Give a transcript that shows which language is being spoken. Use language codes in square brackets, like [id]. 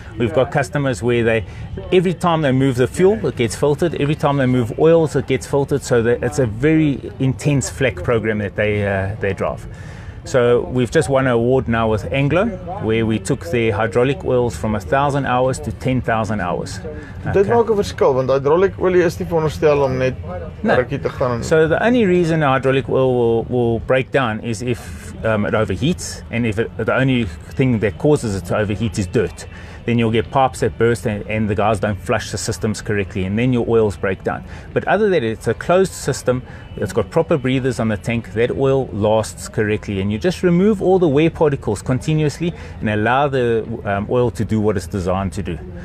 [en] We've got customers where they, every time they move the fuel, it gets filtered. Every time they move oils, it gets filtered. So that it's a very intense flak program that they drive. So we've just won an award now with Anglo, where we took their hydraulic oils from 1,000 hours to 10,000 hours. [af] Dit maak 'n verskil, want hydraulic olie is nie veronderstel om net rukkie te gaan. [en] So the only reason a hydraulic oil will break down is if it overheats, and if the only thing that causes it to overheat is dirt, then you'll get pipes that burst and the guys don't flush the systems correctly, and then your oils break down. But other than that, it's a closed system, it's got proper breathers on the tank, that oil lasts correctly, and you just remove all the wear particles continuously and allow the oil to do what it's designed to do.